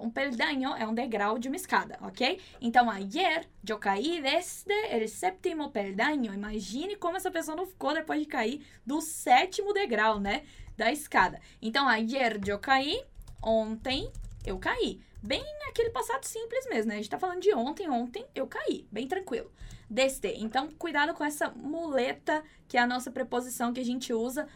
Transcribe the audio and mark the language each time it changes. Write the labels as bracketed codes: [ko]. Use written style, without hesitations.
[pt] Um peldaño é um degrau de uma escada, ok? [es] Então, ayer yo caí desde el séptimo peldaño. [pt] Imagine como essa pessoa não ficou depois de cair do sétimo degrau, né? Da escada. Então, [es] ayer yo caí, [pt] ontem eu caí. Bem aquele passado simples mesmo, né? A gente tá falando de ontem, ontem eu caí. Bem tranquilo. Desde. Então, cuidado com essa muleta, que é a nossa preposição que a gente usa.